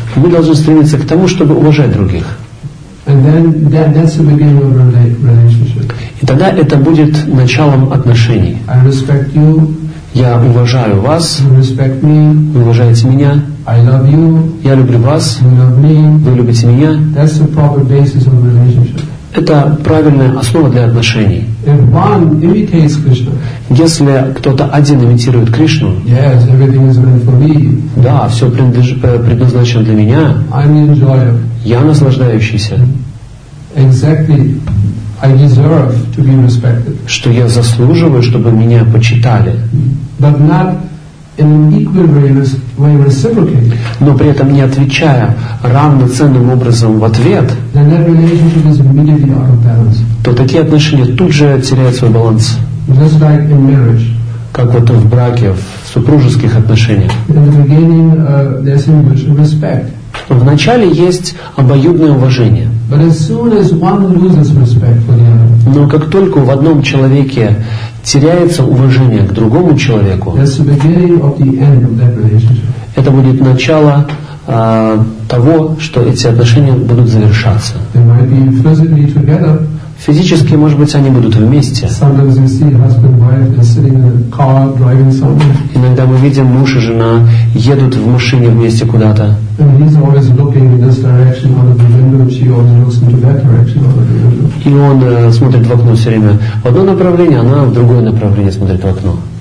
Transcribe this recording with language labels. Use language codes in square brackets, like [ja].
[ru] Мы должны стремиться к тому, чтобы уважать других. [en] And then that's the beginning of a relationship. [ru] И тогда это будет началом отношений. [en] I respect you. [ru] Я уважаю вас. [en] You respect me. [ru] Вы уважаете меня. [en] I love you. [ru] Я люблю вас. [en] You love me. [ru] Вы любите меня. [en] That's the proper basis of a relationship. [ru] Это правильная основа для отношений. [en] If one imitates Krishna, [ru] если кто-то один имитирует Кришну, [en] yes, everything is meant for me. [ru] Да, все предназначено для меня. [en] I'm enjoying. [ru] Я наслаждающийся. [en] Exactly. I deserve to be respected. [ru] Что я заслуживаю, чтобы меня почитали. [en] But not in an equal way reciprocated. [ru] Но при этом не отвечая равноценным образом в ответ, [en] then that relationship is immediately out of balance. [ru] То такие отношения тут же теряют свой баланс. [en] Just like in marriage. [ru] Как вот в браке, в супружеских отношениях. [en] In the beginning, there's much respect. [ru] Вначале есть обоюдное уважение. [en] But as soon as one loses respect for the other, [ru] но как только в одном человеке теряется уважение к другому человеку, [en] that's the beginning of the end of that relationship. [ru] Это будет начало того, что эти отношения будут завершаться. [en] They might be physically together. [ru] Физически, может быть, они будут вместе. [en] Sometimes you see husband, wife, they're sitting in a car driving somewhere. [ru] Иногда мы видим, муж и жена едут в машине вместе куда-то. [en] And he's always looking in this direction out of the window, she always looks into that direction out of the window. [ru] И он смотрит в окно все время. В одно направление, она в другое направление смотрит в окно.